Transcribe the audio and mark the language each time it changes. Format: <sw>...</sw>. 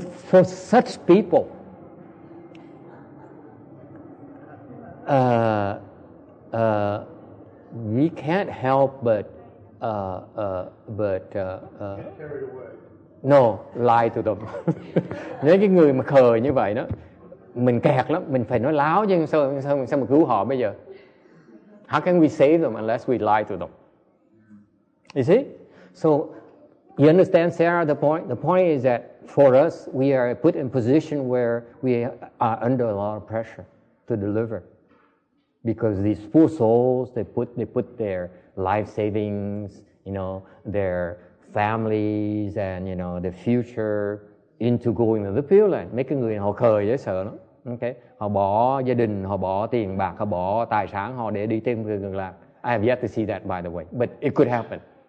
<en>For such people, we can't help lie to them.</en> <vi>Nếu cái người mà khờ như vậy đó, mình kẹt lắm, mình phải nói láo chứ sao mà cứu họ bây giờ?</vi> <en>How can we save them unless we lie to them? You see? So you understand, Sarah, the point? The point is that for us, we are put in a position where we are under a lot of pressure to deliver. Because these poor souls, they put their life savings, you know, their families and, you know, their future into going to the Pure Land.</en> <vi>Mấy cái người họ khờ dễ sợ lắm. Okay. Họ bỏ gia đình, họ bỏ tiền bạc, họ bỏ tài sản, họ để đi tìm người Cực Lạc.</vi> <en>I have yet to see that, by the way, but it could happen.</en>